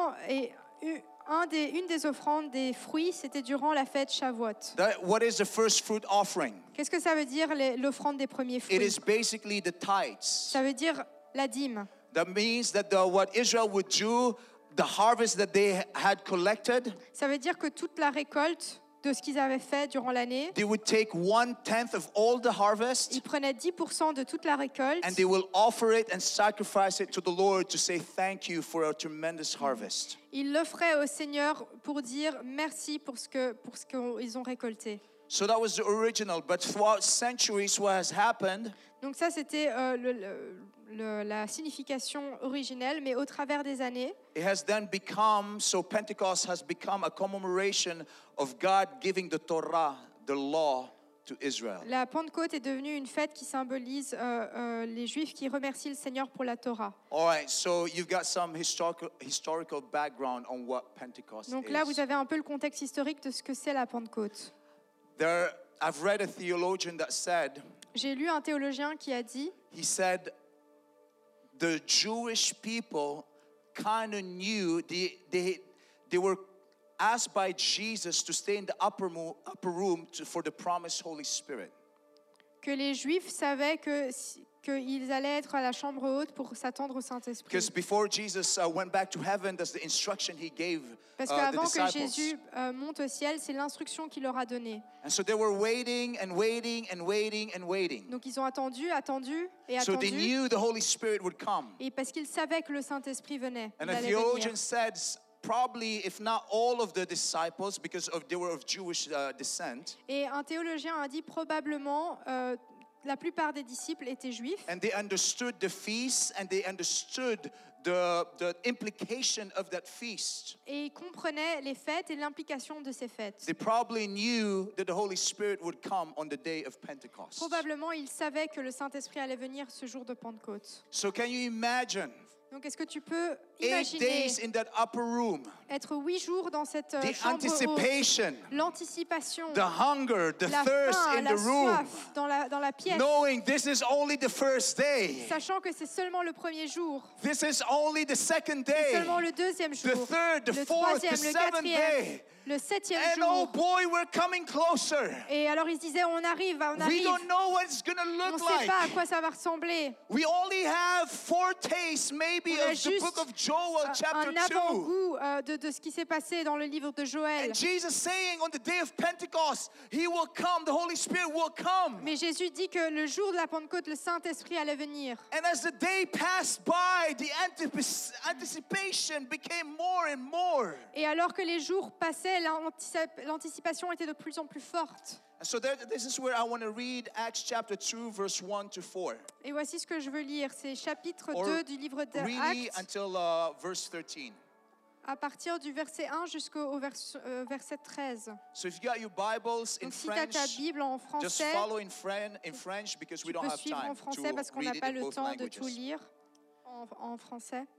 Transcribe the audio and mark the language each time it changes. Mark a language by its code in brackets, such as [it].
[fr] Une des offrandes des fruits, c'était durant la fête Shavuot. [en] What is the first fruit offering? [fr] Qu'est-ce que ça veut dire l'offrande des premiers fruits? [en] It is basically the tithes. [fr] Ça veut dire la dîme. [en] That means that what Israel would do, the harvest that they had collected. [fr] Ça veut dire que toute la récolte de ce qu'ils avaient fait durant l'année. [en] They would take 1/10 of all the harvest. [fr] Ils prenaient 10% de toute la récolte. [en] And they will offer it and sacrifice it to the Lord to say thank you for our tremendous harvest. [fr] Ils l'offraient au Seigneur pour dire merci pour ce qu'ils ont récolté. [en] So that was the original, but throughout centuries, what has happened? [fr] Donc ça c'était la signification originelle, mais au travers des années. [en] It has then become, so Pentecost has become a commemoration of God giving the Torah, the law, to Israel. [fr] La Pentecôte est devenue une fête qui symbolise les Juifs qui remercient le Seigneur pour la Torah. [en] All right, so you've got some historical background on what Pentecost is. [fr] Donc là, vous avez un peu le contexte historique de ce que c'est la Pentecôte. [en] I've read a theologian that said. [fr] J'ai lu un théologien qui a dit. [en] He said, the Jewish people kind of knew they were asked by Jesus to stay in the upper room for the promised Holy Spirit. [fr] Que les Juifs savaient qu'ils allaient être à la chambre haute pour s'attendre au Saint-Esprit. [en] Because before Jesus went back to heaven, that's the instruction he gave the disciples. [fr] Parce qu'avant que Jésus monte au ciel, c'est l'instruction qu'il leur a donnée. [en] And so they were waiting and waiting and waiting and waiting. [fr] Donc ils ont attendu, attendu et attendu. [en] So they knew the Holy Spirit would come. [fr] Et parce qu'ils savaient que le Saint-Esprit venait. [en] And a theologian said, probably if not all of the disciples, because they were of Jewish descent. [fr] Et un théologien a dit probablement. La plupart des disciples étaient juifs. [en] And they understood the feast and they understood the implication of that feast. [fr] Et ils comprenaient les fêtes et l'implication de ces fêtes. [en] They probably knew that the Holy Spirit would come on the day of Pentecost. [fr] Probablement ils savaient que le Saint-Esprit allait venir ce jour de Pentecôte. [en] So can you imagine? [fr] Donc est-ce que tu peux [en] 8 days in that upper room. [fr] Être 8 jours dans cette chambre haute. [en] The anticipation. [fr] L'anticipation. [en] The hunger, the [fr] la [en] thirst [fr] faim, [en] in the room. [fr] Dans la pièce. [en] Knowing this is only the first day. [fr] Sachant que c'est seulement le premier jour. [en] This is only the second day. [fr] C'est seulement le deuxième jour. [en] The third, the [fr] le [en] fourth, the seventh day. [fr] Le septième [en] and [fr] jour. [en] Oh boy, we're coming closer. [fr] Et alors ils disaient, on arrive. [en] We don't know what it's gonna look [fr] on ne sait pas [en] like. [fr] À quoi ça va ressembler. [en] We only have foretaste maybe of the book of Joel chapter 2. [fr] On a juste un avant-goût de ce qui s'est passé dans le livre de Joël. [en] And Jesus saying on the day of Pentecost, he will come, the Holy Spirit will come. [fr] Mais Jésus dit que le jour de la Pentecôte, le Saint-Esprit allait venir. [en] And as the day passed by, the anticipation became more and more. [fr] Et alors que les jours passaient, l'anticipation était de plus en plus forte. [en] So there, this is where I want to read Acts chapter 2 verse 1 to 4. [fr] Et voici ce que je veux lire, c'est chapitre 2 du livre d'Actes. [en] Really until verse 13. [fr] À partir du verset 1 jusqu'au verset 13. [en] So if you got your Bibles in [fr] Donc, si [en] French, [fr] ta Bible en français, [en] just follow in French because we don't have time. [fr] Tu peux suivre en français parce qu'on n'a pas le temps de tout lire en français.